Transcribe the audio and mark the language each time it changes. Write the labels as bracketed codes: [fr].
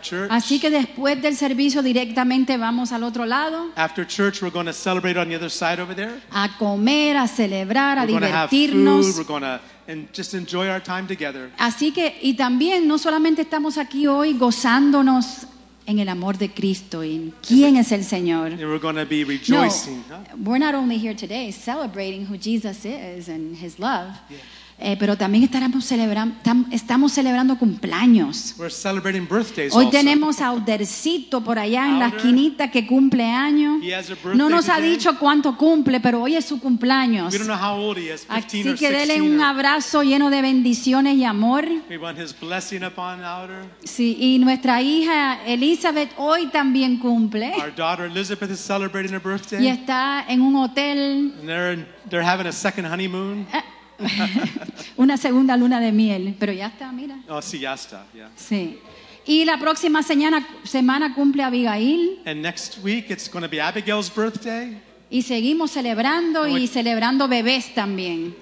[es] Así que después del servicio directamente vamos al otro lado. [en] After church we're going to celebrate on the other side over there. [es] A comer, a celebrar, [en] we're [es] a divertirnos. [en] Have food, we're gonna, and just enjoy our time together. [es] Así que y también no solamente estamos aquí hoy gozándonos en el amor de Cristo y en quién es el Señor. [en] And we're going to be rejoicing. No, we're not only here today celebrating who Jesus is and his love. Yeah. [es] Pero también estamos celebrando cumpleaños. [en] We're celebrating birthdays [es] Hoy [en] also. [es] Tenemos a Aldercito por allá en la esquinita que cumple año. [en] He has a birthday [es] no nos [en] today. [es] Ha dicho cuánto cumple, pero hoy es su cumpleaños. [en] We don't know how old he is, 15 [es] Así [en] or 16 [es] que dele un abrazo lleno de bendiciones y amor. [en] We want his blessing upon Alder. [es] Sí, y nuestra hija Elizabeth hoy también cumple. [en] Our daughter Elizabeth is celebrating her birthday. [es] Y está en un hotel. [en] And they're having a second honeymoon. [es] Una segunda luna de miel, pero ya está, mira. Oh, sí, ya está, yeah. Sí. Y la próxima semana cumple Abigail. [en] And next week it's going to be Abigail's birthday. [es] Y seguimos celebrando y celebrando bebés también.